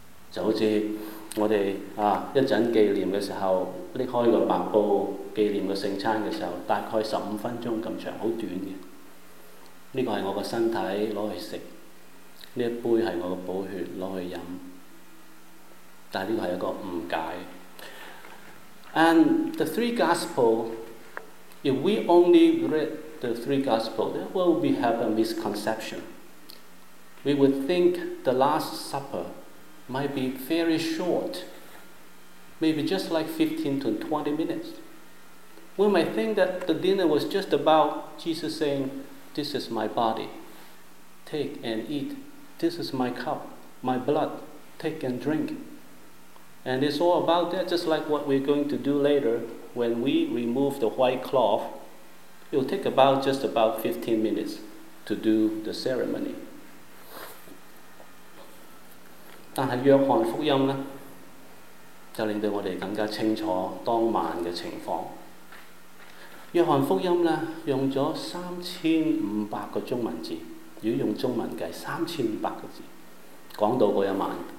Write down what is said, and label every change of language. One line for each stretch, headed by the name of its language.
Cantonese: 就好似我哋啊一陣紀念嘅時候，拎開個白布紀念個聖餐嘅時候，大概15分鐘咁長，好短嘅。呢個係我個身體攞去食，呢一杯係我個寶血攞去飲。但係呢個係一個誤解。
English: And the three Gospels, if we only read the three Gospels, then will we have a misconception? We would think the Last Supper might be very short, maybe just like 15 to 20 minutes. We might think that the dinner was just about Jesus saying, "This is my body, take and eat. This is my cup, my blood, take and drink." And it's all about that, just like what we're going to do later when we remove the white cloth. It'll take about just about 15 minutes to do the ceremony.
Cantonese: 但是約翰福音呢，就令到我們更加清楚當晚的情況。約翰福音呢，用了3500個中文字，如果用中文計3500個字，講到那一晚。